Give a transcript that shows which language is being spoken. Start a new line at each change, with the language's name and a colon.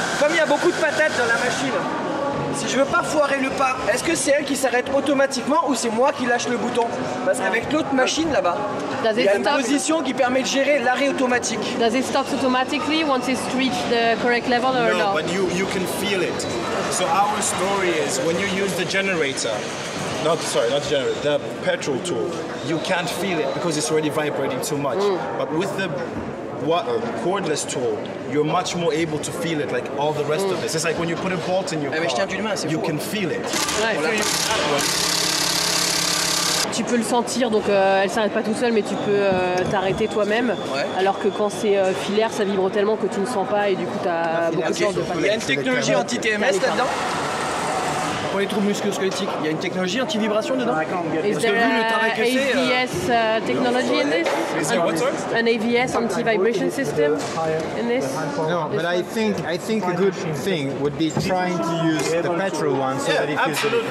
French: Il y a beaucoup de patates dans la machine. Si je veux pas foirer le pas, est-ce que c'est elle qui s'arrête automatiquement ou c'est moi qui lâche le bouton? Parce qu'avec l'autre machine là-bas, il y a une position qui permet de gérer l'arrêt automatique.
English: Does it stop automatically once it's reached the correct level or no? No, but you can feel it. So our story is when you use the generator, not the generator, the petrol tool, you can't feel it because it's already vibrating too much. Mm. But with the cordless tool, you're much more able to feel it, like all the rest of this. It's like when you put a bolt in your car, you can feel it.
French: Tu peux le sentir, donc elle s'arrête pas tout seul, mais tu peux t'arrêter toi-même. Ouais. Alors que quand c'est filaire, ça vibre tellement que tu ne sens pas et du coup tu as beaucoup de chance de pas. Il y a une technologie anti-TMS là-dedans. Pour les troubles musculo-squelettiques, il y a une technologie anti-vibration dedans.
English: Is there a ACS technology in this? an AVS, anti-vibration system in this? No, but I think a good thing would be trying to use the petrol one so that it feels